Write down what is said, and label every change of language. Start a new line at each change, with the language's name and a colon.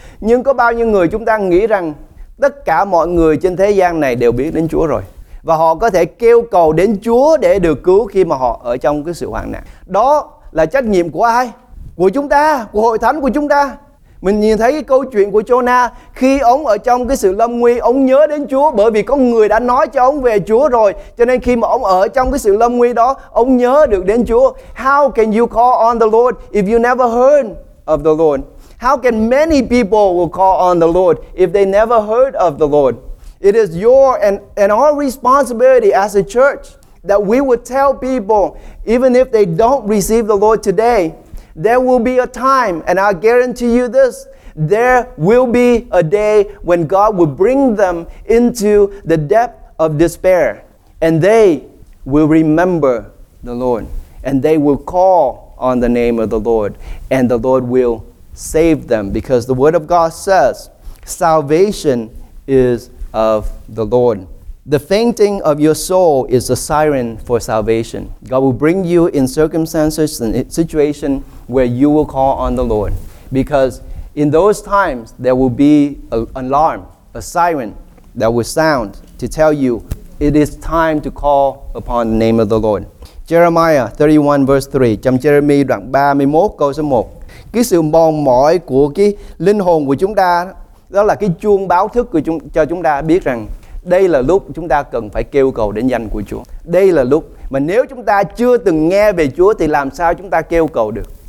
Vietnamese: Nhưng có bao nhiêu người chúng ta nghĩ rằng tất cả mọi người trên thế gian này đều biết đến Chúa rồi, và họ có thể kêu cầu đến Chúa để được cứu khi mà họ ở trong cái sự hoạn nạn. Đó là trách nhiệm của ai? Của chúng ta, của hội thánh của chúng ta. Mình nhìn thấy cái câu chuyện của Jonah, khi ông ở trong cái sự lâm nguy, ông nhớ đến Chúa bởi vì có người đã nói cho ông về Chúa rồi. Cho nên khi mà ông ở trong cái sự lâm nguy đó, ông nhớ được đến Chúa.
English: How can you call on the Lord if you never heard of the Lord? How can many people will call on the Lord if they never heard of the Lord? It is your and our responsibility as a church that we would tell people, even if they don't receive the Lord today, there will be a time, and I guarantee you this, there will be a day when God will bring them into the depth of despair, and they will remember the Lord, and they will call on the name of the Lord, and the Lord will save them, because the word of God says, salvation is of the Lord. The fainting of your soul is a siren for salvation. God will bring you in circumstances and situation where you will call on the Lord. Because in those times, there will be an alarm, a siren that will sound to tell you it is time to call upon the name of the Lord. Jeremiah 31 verse 3,
Vietnamese: trong Jeremy đoạn 31 câu số 1. Cái sự mòn mỏi của cái linh hồn của chúng ta, đó là cái chuông báo thức của cho chúng ta biết rằng đây là lúc chúng ta cần phải kêu cầu đến danh của Chúa. Đây là lúc mà nếu chúng ta chưa từng nghe về Chúa thì làm sao chúng ta kêu cầu được?